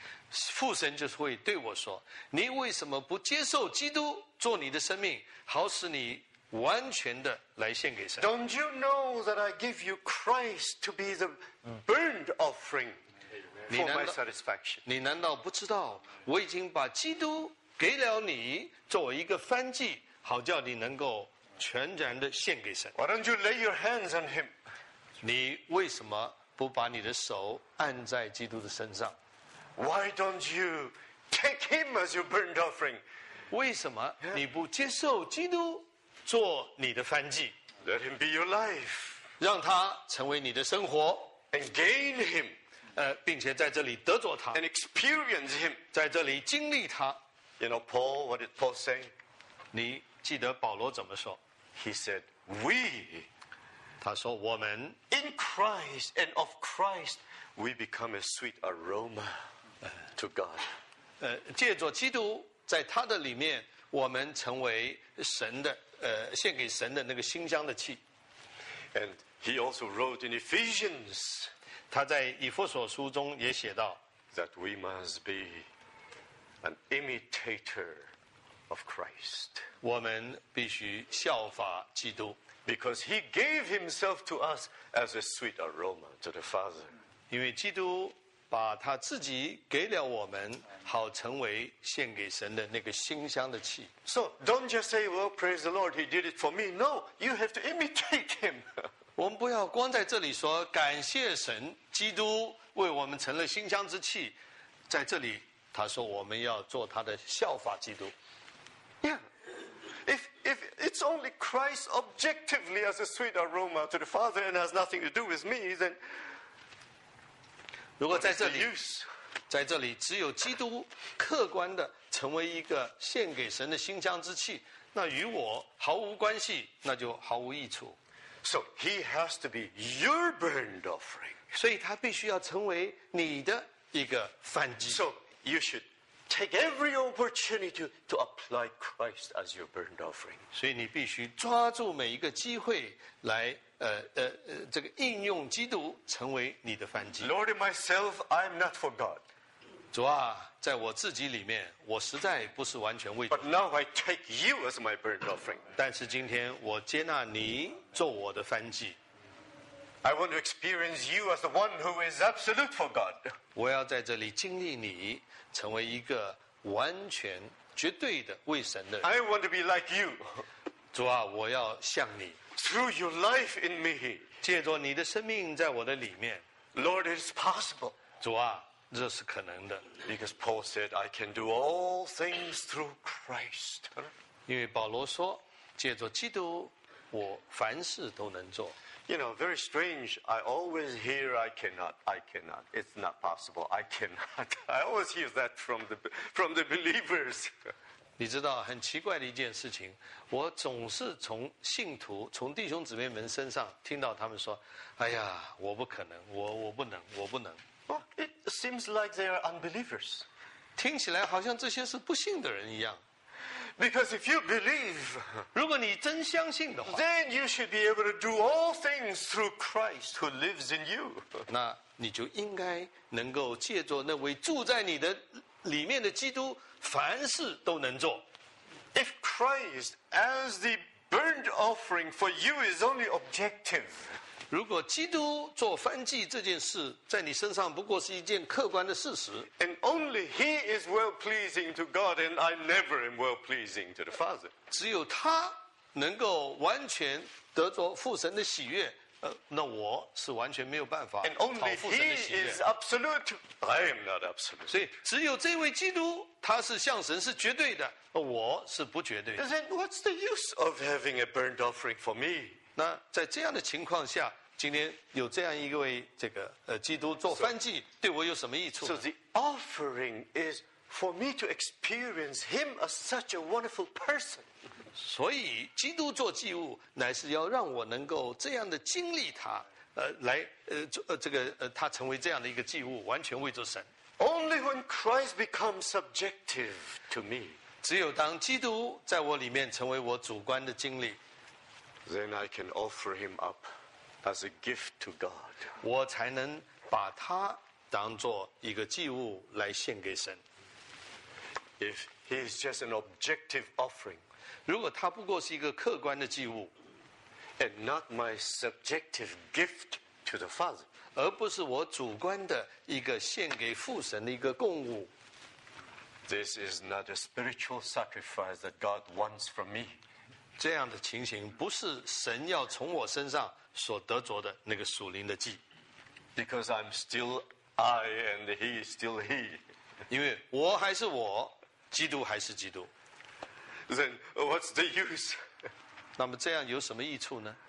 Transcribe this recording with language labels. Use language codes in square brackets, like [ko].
[zh] 父神就会对我说，你为什么不接受基督做你的生命，好使你完全的来献给神。 [en] Don't you know that I give you Christ to be the burnt offering for my satisfaction? [zh] 你难道不知道我已经把基督给了你作为一个燔祭，好叫你能够全然的献给神。 [en] Why don't you lay your hands on him? [zh] 你为什么不把你的手按在基督的身上？ [en] Why don't you take him as your burnt offering? [zh] 为什么你不接受基督做你的燔祭？ [en] Let him be your life. [zh] 让他成为你的生活。 [en] And gain him. [zh] 并且在这里得着他。 [en] And experience him. [zh] 在这里经历他。 [en] You know Paul, what did Paul say? [zh] 你记得保罗怎么说？ [en] He said, we. [zh] 他说我们。 [en] In Christ and of Christ, we become a sweet aroma to God. [zh] 借着基督在他的里面，我们成为神的献给神的那个馨香的气。 [en] And he also wrote in Ephesians, [zh] 他在以弗所书中也写到， [en] that we must be an imitator of Christ. [zh] 我们必须效法基督。 [en] Because he gave himself to us as a sweet aroma to the Father. [zh] 因为基督把他自己给了我们，好成为献给神的那个馨香的气。 [en] So don't just say, "Well, praise the Lord, He did it for me." No, you have to imitate Him. [zh] 我们不要光在这里说感谢神，基督为我们成了馨香之气。在这里，他说我们要做他的效法基督。 [en] Yeah, if it's only Christ objectively as a sweet aroma to the Father and has nothing to do with me, then [zh] 如果在这里，在这里只有基督客观的成为一个献给神的馨香之气，那与我毫无关系，那就毫无益处。 [en] So he has to be your burnt offering. [zh] 所以他必须要成为你的一个燔祭。 [en] So you should take every opportunity to apply Christ as your burnt offering. [zh] 所以你必须抓住每一个机会来。这个应用基督成为你的燔祭。 [en] Lord, in myself, I am not for God. [zh] 主啊，在我自己里面，我实在不是完全为。 [en] But now I take you as my burnt offering. [zh] 但是今天我接纳你做我的燔祭。 [en] I want to experience you as the one who is absolute for God. [zh] 我要在这里经历你，成为一个完全绝对的为神的人。 [en] I want to be like you. [zh] 主啊，我要像你。 [en] Through your life in me, [zh] 借着你的生命在我的里面 [en] ，Lord, it's possible. [zh] 主啊，这是可能的。 [en] Because Paul said, "I can do all things through Christ." [zh] 因为保罗说，借着基督，我凡事都能做。 [en] You know, very strange. I always hear, "I cannot, I cannot. It's not possible. I cannot." I always hear that from the believers. [zh] 你知道很奇怪的一件事情，我总是从信徒、从弟兄姊妹们身上听到他们说：“哎呀，我不可能，我不能，我不能。” [en] Well, it seems like they are unbelievers. [zh] 听起来好像这些是不信的人一样。 [en] Because if you believe, [zh] 如果你真相信的话 [en] ，then you should be able to do all things through Christ who lives in you. [zh] 那你就应该能够借着那位住在你的里面的基督。凡事都能做。 [en] If Christ as the burnt offering for you is only objective, [zh] 如果基督做燔祭这件事在你身上不过是一件客观的事实。 [en] And only He is well pleasing to God, and I never am well pleasing to the Father. [zh] 只有他能够完全得着父神的喜悦，那我是完全没有办法讨父神的喜悦。 [en] And only he is absolute. I am not absolute. [zh] 所以只有这位基督，他是向神是绝对的，我是不绝对的。 [en] Then what's the use of having a burnt offering for me? [zh] 那在这样的情况下，今天有这样一位这个基督做燔祭，对我有什么益处？ [en] So the offering is for me to experience him as such a wonderful person. [zh] 所以基督做祭物乃是要让我能够这样的经历他，来这个他成为这样的一个祭物，完全为着神。 [en] Only when Christ becomes subjective to me. [zh] 只有当基督在我里面成为我主观的经历， [en] then I can offer him up. As a gift to God, [zh] 我才能把它当作一个祭物来献给神。 [en] If he is just an objective offering, [zh] 如果它不过是一个客观的祭物 [en] ，and not my subjective gift to the Father, [zh] 而不是我主观的一个献给父神的一个供物 [en] ，this is not a spiritual sacrifice that God wants from me. [zh] 这样的情形不是神要从我身上。所得着的那个属灵的祭 [en] ，because I'm still I and he is still he， [zh] 因为我还是我，基督还是基督。 [en] Then what's the use？ [zh] 那么这样有什么益处呢